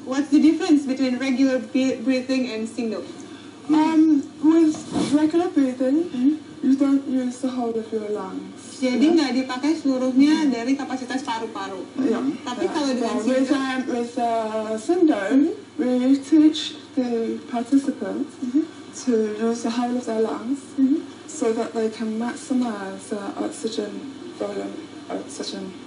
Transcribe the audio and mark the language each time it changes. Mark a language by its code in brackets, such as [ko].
[en] What's the difference between regular breathing and Sinder? With regular breathing, you don't use the whole of your lungs. [id] Jadi nggak dipakai seluruhnya dari kapasitas paru-paru. Tapi kalau dengan Sinder, [en] with Sinder, we teach the participants to use the whole of their lungs so that they can maximize oxygen volume, oxygen.